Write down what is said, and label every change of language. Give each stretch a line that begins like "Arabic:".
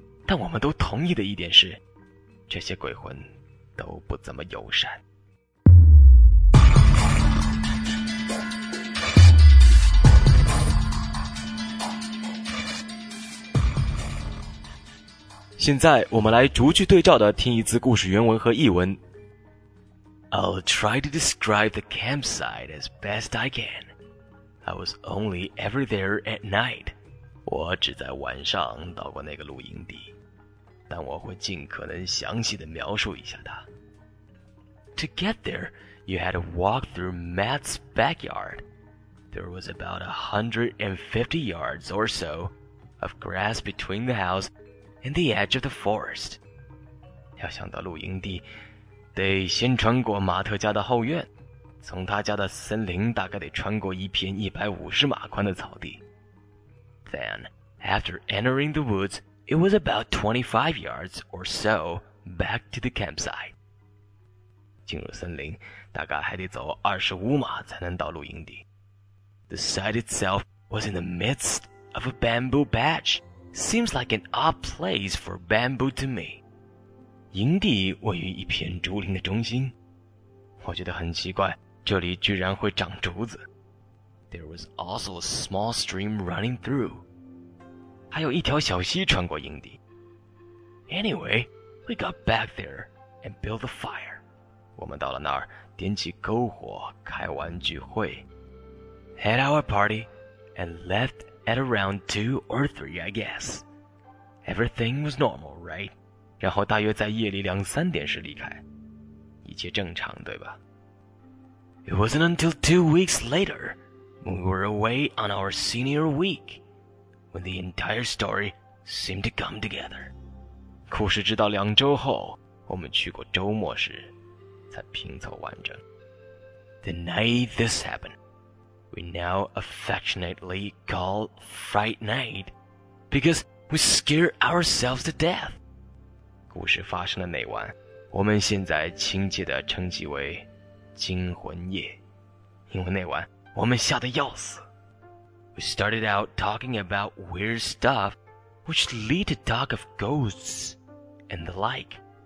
Chinese: 但我们都同意的一点是，这些鬼魂都不怎么友善。现在我们来逐句对照的听一次故事原文和译文。
English: I'll try to describe the campsite as best I can. I was only ever there at night.
Chinese: 我只在晚上到过那个露营地，但我会尽可能详细地描述一下它。
English: To get there, you had to walk through Matt's backyard. There was about 150 yards or so of grass between the house. In the edge of the forest.
Chinese: 要想到露营地，得先穿过马特家的后院，从他家的森林大概得穿过一片150码宽的草地。
English: Then, after entering the woods, it was about 25 yards or so back to the campsite.
Chinese: 进入森林大概还得走25码才能到露营地。
English: The site itself was in the midst of a bamboo patch. Seems like an odd place for bamboo to me.
Chinese: 营地位于一片竹林的中心。我觉得很奇怪，这里居然会长竹子。
English: There was also a small stream running through.
Chinese: 还有一条小溪穿过营地。
English: Anyway, we got back there and built a fire.
Chinese: 我们到了那儿，点起篝火，开完聚会。
English: Had our party and left at around 2 or 3, I guess. Everything was normal, right?
Chinese: 然后大约在夜里2-3点时离开。一切正常，对吧？
English: It wasn't until 2 weeks later, when we were away on our senior week, when the entire story seemed to come together.
Chinese: 故事直到2周后，我们去过周末时，才拼凑完整。
English: The night this happened, we now affectionately call Fright Night, because we scare ourselves to death.
Chinese: 故事发生的那晚，我们现在亲切地称其为惊魂夜，因为那晚我们吓得要死。
English: We started out talking about weird stuff, which lead to talk of ghosts and the like.